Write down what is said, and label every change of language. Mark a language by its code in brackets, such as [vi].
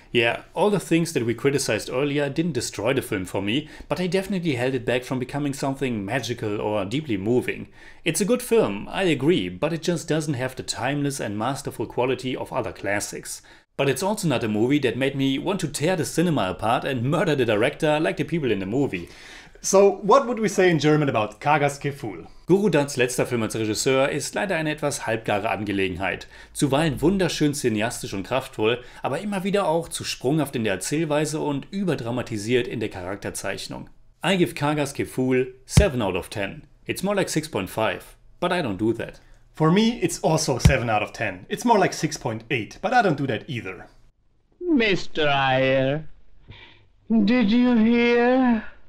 [en] Yeah, all the things that we criticized earlier didn't destroy the film for me, but they definitely held it back from becoming something magical or deeply moving. It's a good film, I agree, but it just doesn't have the timeless and masterful quality of other classics. But it's also not a movie that made me want to tear the cinema apart and murder the director like the people in the movie. So, what would we say in German about Kaagaz Phool? [de] Guru Dutts letzter Film als Regisseur ist leider eine etwas halbgare Angelegenheit. Zuweilen wunderschön cineastisch und kraftvoll, aber immer wieder auch zu sprunghaft in der Erzählweise und überdramatisiert in der Charakterzeichnung. [en] I give Kaagaz Phool 7 out of 10. It's more like 6.5, but I don't do that. For me, it's also 7 out of 10. It's more like 6.8, but I don't do that either. Mr. Iyer, did you hear?